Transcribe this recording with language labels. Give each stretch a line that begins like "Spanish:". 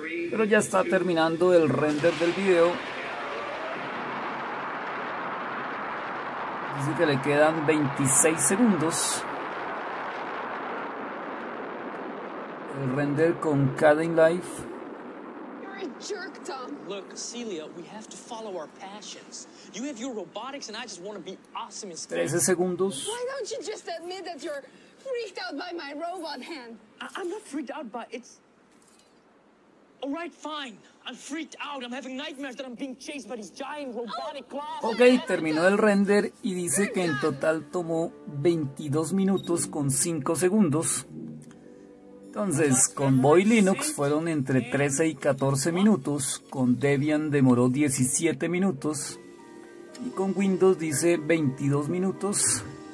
Spanish: Pero ya está terminando el render del video. Dice que le quedan 26 segundos. El render con Caddy Life.
English: Jerk, Tom. Look, Celia, we have to follow our passions. You have your robotics and I just want to be awesome in space.
Spanish: 13 segundos.
English: Why don't you just admit that you're freaked out by my robot hand? I'm not freaked out by it. All right, fine. I'm freaked out. I'm having nightmares that I'm being chased by these giant robotic claws.
Spanish: Okay, terminó el render y dice que en total tomó 22 minutos con 5 segundos. Entonces, con Boy Linux fueron entre 13 y 14 minutos, con Debian demoró 17 minutos, y con Windows dice 22 minutos.